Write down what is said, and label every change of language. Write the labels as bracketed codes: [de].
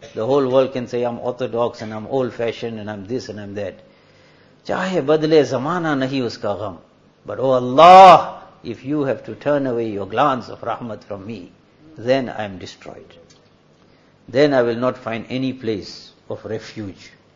[en] The whole world can say I'm orthodox and I'm old-fashioned and I'm this and I'm that. [hi] Chahe badle zamana nahi uska gham. [en] But oh Allah, if you have to turn away your glance of rahmat from me, then I am destroyed. Then I will not find any place of refuge.